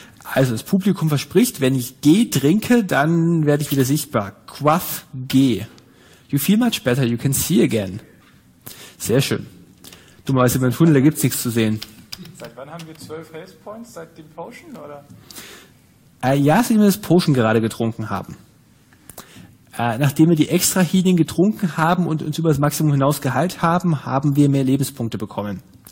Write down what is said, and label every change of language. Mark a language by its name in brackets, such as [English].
[German] Also das Publikum verspricht, wenn ich G trinke, dann werde ich wieder sichtbar. [English] Quaff G. You feel much better, you can see again. [German] Sehr schön. Du meinst, im Tunnel, da gibt es nichts zu sehen. Seit wann haben wir 12 Health Points? Seit dem Potion, oder? Ja, seitdem wir das Potion gerade getrunken haben. Nachdem wir die Extra-Healing getrunken haben und uns über das Maximum hinaus geheilt haben, haben wir mehr Lebenspunkte bekommen.